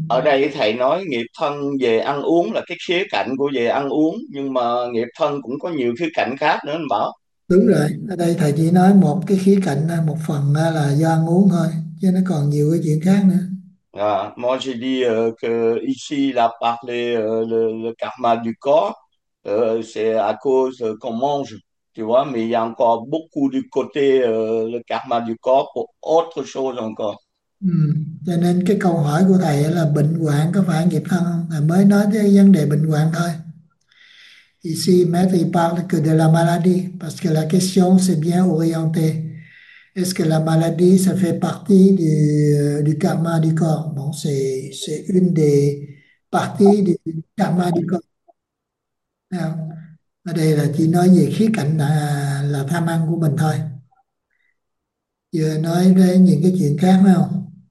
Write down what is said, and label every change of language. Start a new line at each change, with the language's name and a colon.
Vietnamese: ở đây thầy nói nghiệp thân về ăn uống là cái khía cạnh của về ăn uống, nhưng mà nghiệp thân cũng có nhiều khía cạnh khác nữa. Anh bảo Đúng rồi, ở đây thầy chỉ nói một cái khía cạnh, một phần là do ăn uống thôi, chứ nó còn nhiều cái chuyện khác nữa.
French: À, moi j'ai dit que ici la parler le karma du corps c'est à cause qu'on mange, tu vois, mais il y a encore beaucoup du côté le karma du corps pour autre chose encore.
Vietnamese: Cho nên cái câu hỏi của thầy là bệnh hoạn có phải nghiệp thân không? Thầy mới nói cái vấn đề bệnh hoạn thôi.
French: Ici, maître, il parle que de la maladie, parce que la question s'est bien orientée. Est-ce que la maladie, ça fait partie du karma du corps? Bon, c'est une des parties du karma du corps. Alors,
Vietnamese: ở đây là chỉ nói về khía cạnh là tham ăn của mình thôi. Vừa nói đến những cái chuyện khác phải không?